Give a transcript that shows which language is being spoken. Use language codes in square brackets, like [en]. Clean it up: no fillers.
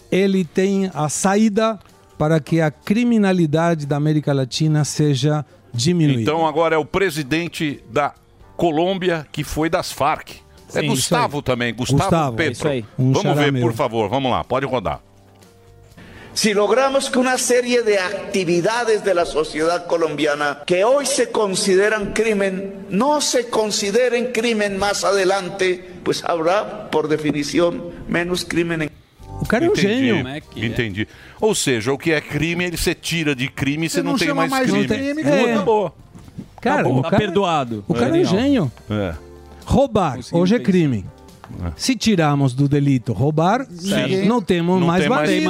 [pt] Ele tem a saída para que a criminalidade da América Latina seja diminuída. Então agora é o presidente da Colômbia que foi das Farc. Sim, é Gustavo também, Gustavo Petro. É isso aí. Vamos ver, por favor, vamos lá, pode rodar. [es] Si logramos que una serie de actividades de la sociedad colombiana que hoy se consideran crimen, no se consideren crimen más adelante, pues habrá, por definición, menos crimen en... [pt] O cara é um gênio. Entendi. Ou seja, o que é crime, ele se tira de crime e você não tem chama mais crime. Não tem MP. É. Cara, acabou. O cara, tá perdoado. O cara é um gênio. É. Roubar, consigo hoje pensar. É crime. Se tiramos do delito roubar, sim, não temos não mais tem bandido.